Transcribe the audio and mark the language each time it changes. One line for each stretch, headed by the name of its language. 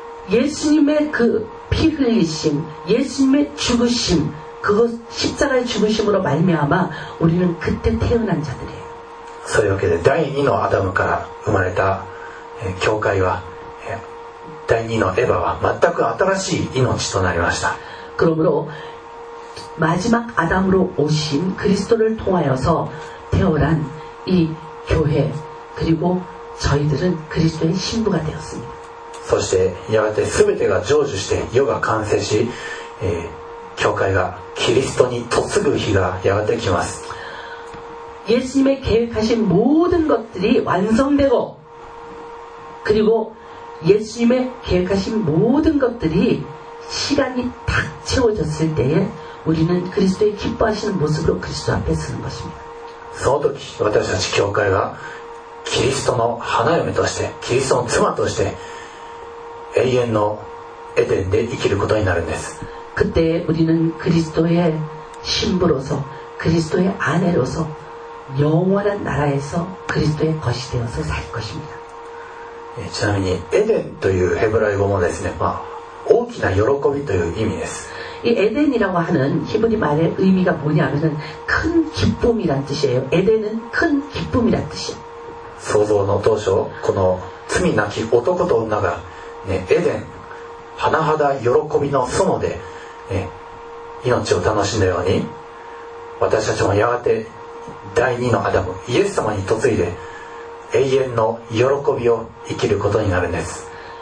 Korean: 예수님의그피흘리심예수님의죽으심그것십자가의죽으심으로말미암아우리는그때태어난자들이에요
Japanese: そういうわけで第2のアダムから生まれた教会は第2のエヴァは全く新しい命となりました
Korean: 그러므로마지막아담으로오신그리스도를통하여서태어난이교회그리고저희들은그리스도의신부가되었습니다
Japanese: そしてやがて全てが成就して世が完成し教会がキリストに嫁ぐ日がやがて来ます
Korean: 예수님의계획하신모든것들이완성되고그리고예수님의계획하신모든것들이시간이딱채워졌을때에우리는그리스도의기뻐하시는모습으로그리스도앞에서는것입니다
Japanese: その時私たち教会がキリストの花嫁としてキリストの妻として永遠のエデンで生きることになるんです
Korean: 그때우리는그리스도의신부로서그리스도의아내로서영원한나라에서그리스도의것이되어서살것입니다
Japanese: ちなみにエデンというヘブライ語もですね、まあ、大きな喜びという意味です。
Korean: 이에덴이라고하는히브리말의의미가뭐냐면은큰기쁨이란뜻이에요에덴은큰기쁨이란뜻이에요
Japanese: 創造の当初この罪なき男と女が、ね、エデン甚だ喜びの園で、ね、命を楽しんだように私たちもやがて第二のアダムイエス様に嫁いで永遠の喜びを生きることになるんです